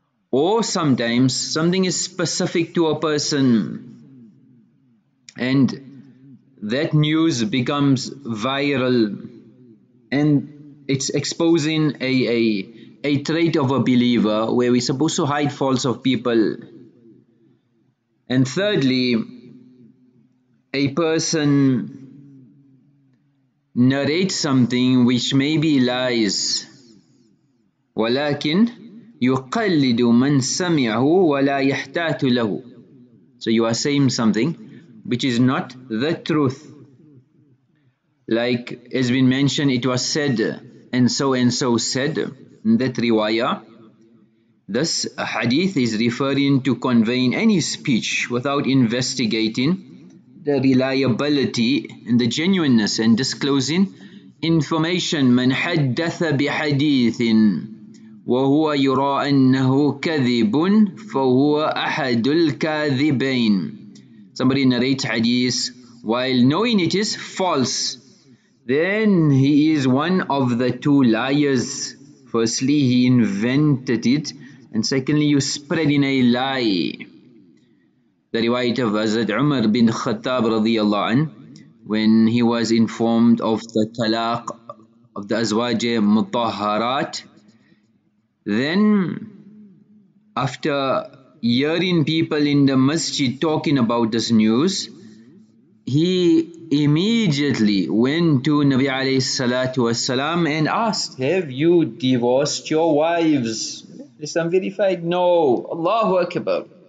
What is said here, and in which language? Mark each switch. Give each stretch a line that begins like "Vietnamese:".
English: Or sometimes something is specific to a person and that news becomes viral and it's exposing a trait of a believer where we're supposed to hide faults of people. And thirdly, a person narrates something which may be lies.
Arabic: ولكن يقلد من سمعه ولا يحتات له.
English: So you are saying something which is not the truth. Like has been mentioned, it was said and so said in that riwayah. This hadith is referring to conveying any speech without investigating the reliability and the genuineness and disclosing information.
Arabic: من حدث بحديث وهو يرى أنه كذب فهو أحد الكاذبين.
English: Somebody narrates hadith while knowing it is false. Then he is one of the two liars. Firstly, he invented it. And secondly, you spread in a lie. The riwayat of Hazrat Umar bin Khattab radiyallahu an, when he was informed of the talaq of the azwaj mutahharat, then after hearing people in the masjid talking about this news, he immediately went to Nabi alayhi salatu wasalam and asked, "Have you divorced your wives?" Is unverified? No. Allahu Akbar.